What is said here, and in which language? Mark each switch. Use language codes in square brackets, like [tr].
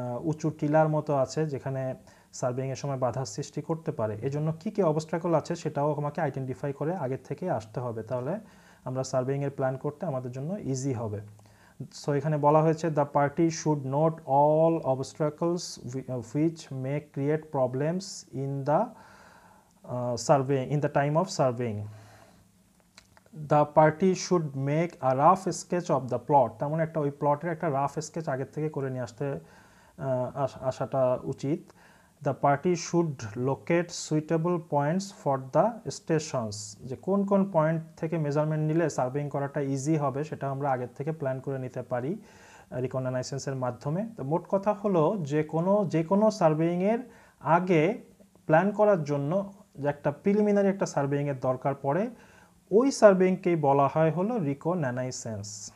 [bn] উঁচু টিলার মতো আছে যেখানে সার্ভেইংয়ের সময় বাধা সৃষ্টি করতে পারে এজন্য কী কী অবস্ট্রাকল আছে সেটাও আমাকে আইডেন্টিফাই করে আগের থেকে আসতে হবে তাহলে আমরা সার্ভেইংয়ের প্ল্যান করতে আমাদের জন্য ইজি হবে সো এখানে বলা হয়েছে [en] The party should note all obstacles which may create problems in the surveying, in the time of surveying. The party should make a rough sketch of the plot. [bn] তেমন একটা ওই প্লটের একটা rough sketch আগে থেকে করে নিয়ে আসতে আসাটা উচিত. [en] The party should locate suitable points for the stations. [bn] যে কোন কোন পয়েন্ট থেকে মেজারমেন্ট নিলে সার্ভেইং করাটা ইজি হবে সেটা আমরা আগে থেকে প্ল্যান করে নিতে পারি রিকনাইসেন্সের মাধ্যমে. তো মোট কথা হলো যে কোনো সার্ভেইং এর আগে প্ল্যান করার জন্য যে একটা প্রিলিমিনারি একটা সার্ভেইং এর দরকার পড়ে ওই সার্ভেইংকেই বলা হয় হলো রিকনাইসেন্স.